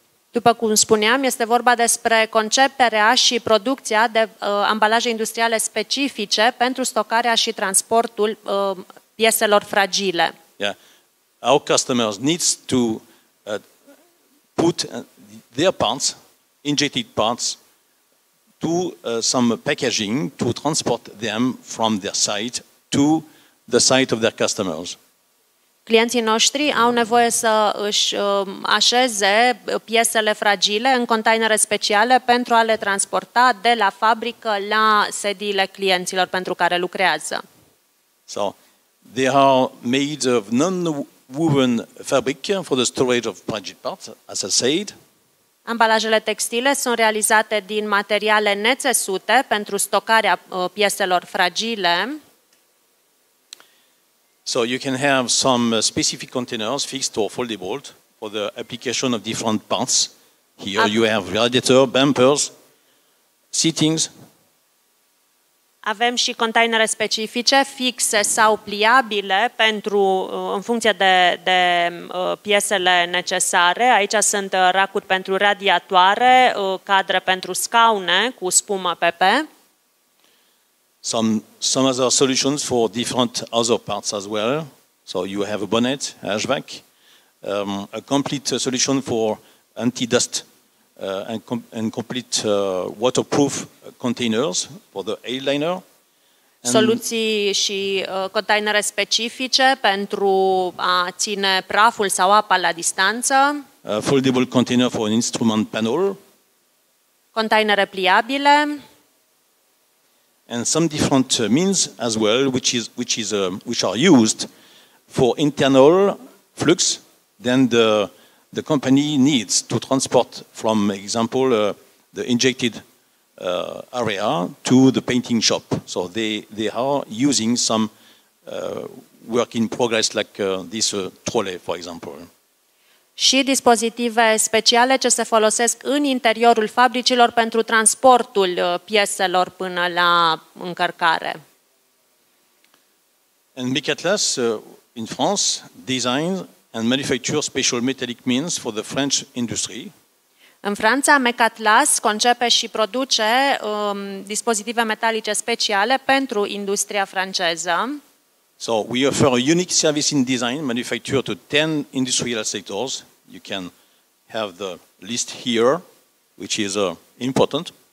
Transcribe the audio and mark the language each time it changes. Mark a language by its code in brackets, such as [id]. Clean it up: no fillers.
[ro] După cum spuneam, este vorba despre conceperea și producția de ambalaje industriale specifice pentru stocarea și transportul pieselor fragile. [en] Yeah. Our customers need to put their parts, injected parts, to some packaging to transport them from their site to the site of their customers. [ro] Clienții noștri au nevoie să își așeze piesele fragile în containere speciale pentru a le transporta de la fabrică la sediile clienților pentru care lucrează. [en] So, they are made of non-woven fabric for the storage of fragile parts, as I said. [ro] Ambalajele textile sunt realizate din materiale nețesute pentru stocarea pieselor fragile. [en] So you can have some specific containers fixed or foldable for the application of different parts. Here you have radiator, bumpers, seatings. [ro] Avem și containere specifice fixe sau pliabile pentru în funcție de piesele necesare. Aici sunt racuri pentru radiatoare, cadre pentru scaune cu spumă PP. [en] some other solutions for different other parts as well. So you have a bonnet, HVAC, a complete solution for anti-dust and complete waterproof containers for the airliner. [ro] Soluții și containere specifice pentru a ține praful sau apa la distanță. [en] A foldable container for an instrument panel. [ro] Containere pliabile. [en] And some different means as well, which are used for internal flux than the company needs to transport from, example, the injected area to the painting shop. So they are using some work in progress like this trolley, for example. [ro] Și dispozitive speciale ce se folosesc în interiorul fabricilor pentru transportul pieselor până la încărcare. [en] And Micatlas in France designs and manufactures special metallic means for the French industry. [ro] În Franța, Mecatlas concepe și produce dispozitive metalice speciale pentru industria franceză. [en] So we offer a unique service in design manufacture to 10 industrial sectors. You can have the list here, which is important.